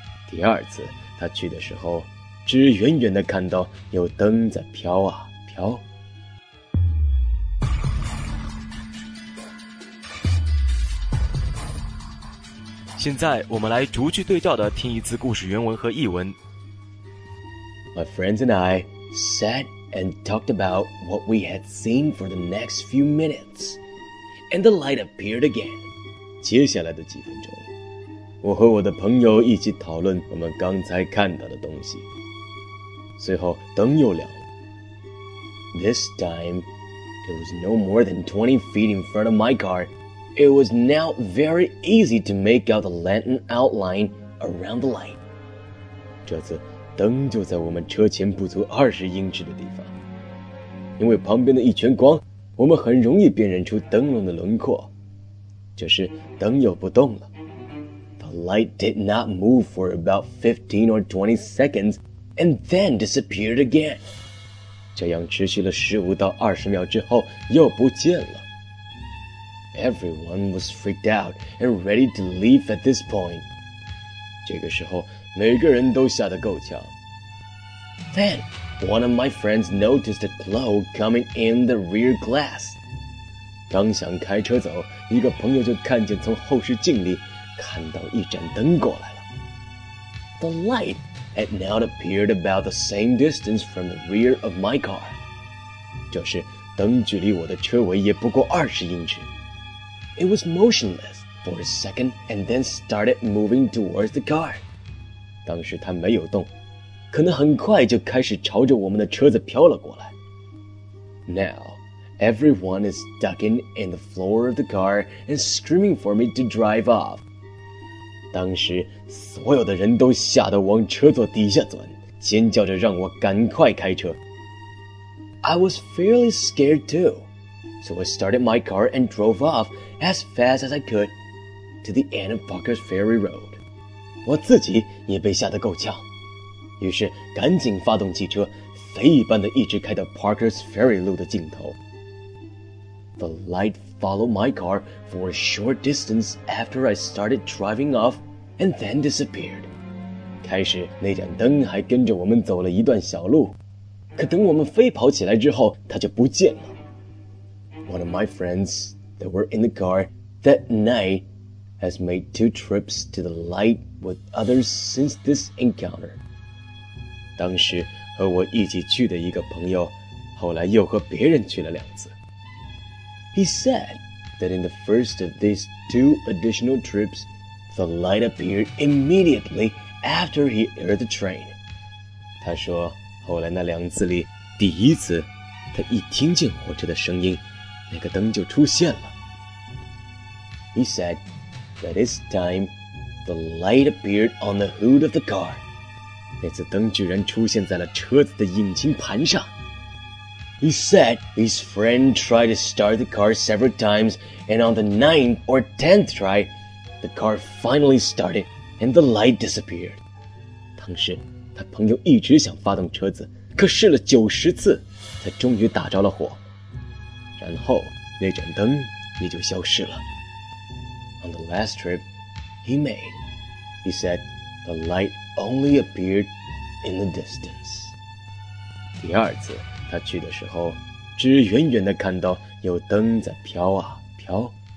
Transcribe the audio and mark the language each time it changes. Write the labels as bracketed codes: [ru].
[zh] 第二次他去的时候，只远远地看到有灯在飘啊飘。现在我们来逐句对照地听一次故事原文和译文。 [en] My friends and I sat and talked about what we had seen for the next few minutes, and the light appeared again. [zh] 接下来的几分钟，我和我的朋友一起讨论我们刚才看到的东西。随后灯又亮了。 [en] This time, There was no more than 20 feet in front of my car. It was now very easy to make out the lantern outline around the light. [zh] 这次灯就在我们车前不足20英尺的地方。因为旁边的一圈光，我们很容易辨认出灯笼的轮廓。就是灯又不动了。 [en] The light did not move for about 15 or 20 seconds and then disappeared again. [zh] 这样持续了15到20秒之后又不见了。 [en] Everyone was freaked out and ready to leave at this point. [zh] 这个时候每个人都吓得够呛。 [en] Then, one of my friends noticed a glow coming in the rear glass. [zh] 刚想开车走，一个朋友就看见从后视镜里看到一盏灯过来了。 [en] The light had now appeared about the same distance from the rear of my car. [zh] 就是灯距离我的车尾也不过20英尺。 [en] It was motionless for a second and then started moving towards the car. [zh] 当时它没有动，可能很快就开始朝着我们的车子飘了过来。 [en] Now, everyone is ducking in the floor of the car and screaming for me to drive off. [zh] 当时所有的人都吓得往车座底下钻，尖叫着让我赶快开车。 [en] I was fairly scared too. So I started my car and drove off as fast as I could to the end of Parker's Ferry Road. [zh] 我自己也被吓得够呛，于是赶紧发动汽车，飞一般的一直开到 Parker's Ferry 路的尽头。 [en] The light followed my car for a short distance after I started driving off and then disappeared. [zh] 开始那盏灯还跟着我们走了一段小路，可等我们飞跑起来之后，它就不见了。 [en] One of my friends that were in the car that night has made 2 trips to the light with others since this encounter. [zh] 当时和我一起去的一个朋友后来又和别人去了两次。 [en] He said that in the first of these 2 additional trips, the light appeared immediately after he entered the train. [zh] 他说后来那两次里第一次他一听见火车的声音那个灯就出现了。 [en] He said that this time the light appeared on the hood of the car. [zh] 那次灯居然出现在了车子的引擎盘上。 [en] He said his friend tried to start the car several times and on the 9th or 10th try, the car finally started and the light disappeared. [zh] 当时他朋友一直想发动车子，可试了90次才终于打着了火。然后那盏灯也就消失了。 [en] On the last trip he made, he said the light only appeared in the distance. [zh] 第二次他去的时候，只远远地看到有灯在飘啊飘。